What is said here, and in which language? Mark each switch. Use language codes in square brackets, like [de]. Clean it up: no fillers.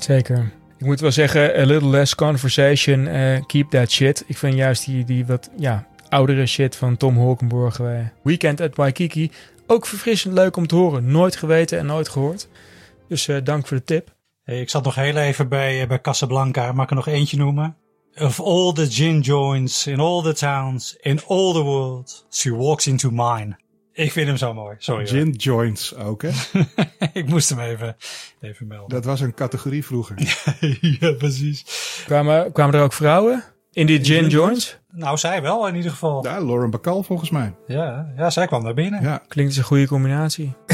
[nl] Zeker. Ik moet wel zeggen, a little less conversation, keep that shit. Ik vind juist die oudere shit van Tom Holkenborg, Weekend at Waikiki, ook verfrissend leuk om te horen. Nooit geweten en nooit gehoord. Dus dank voor de tip. Ik zat nog heel even bij Casablanca. Mag ik er nog eentje noemen? [en] Of all the gin joints in all the towns, in all the world, she walks into mine. [nl] Ik vind hem zo mooi. Sorry. Gin joints ook, hè? Ik moest hem even melden. Dat was een categorie vroeger. Ja, precies. Kwamen er ook vrouwen in die gin joints? Nou, zij wel in ieder geval. Ja, Lauren Bacall volgens mij. Ja, zij kwam daar binnen. Ja. Klinkt een goede combinatie.